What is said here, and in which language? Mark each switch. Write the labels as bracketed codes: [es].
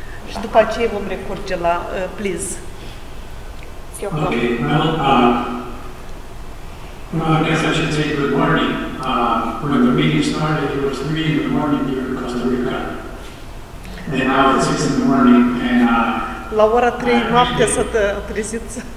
[ro] Și după aceea vom recurge la please. [en] Ok, well, I guess I should say good morning. When the meeting started, it was 3 in the morning here in Costa Rica. And now it's 6 in the morning and... [ro] La ora 3 noaptea să te treziți.